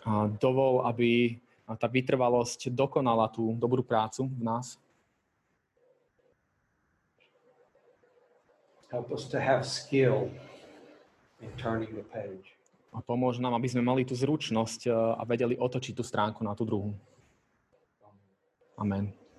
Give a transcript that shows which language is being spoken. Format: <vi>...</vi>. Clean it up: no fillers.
<sk>A dovol, aby tá vytrvalosť dokonala tú dobrú prácu v nás.</sk> <en>Help us to have skill in turning the page.</en> <sk>A pomôž nám, aby sme mali tú zručnosť a vedeli otočiť tú stránku na tú druhú. Amen.</sk>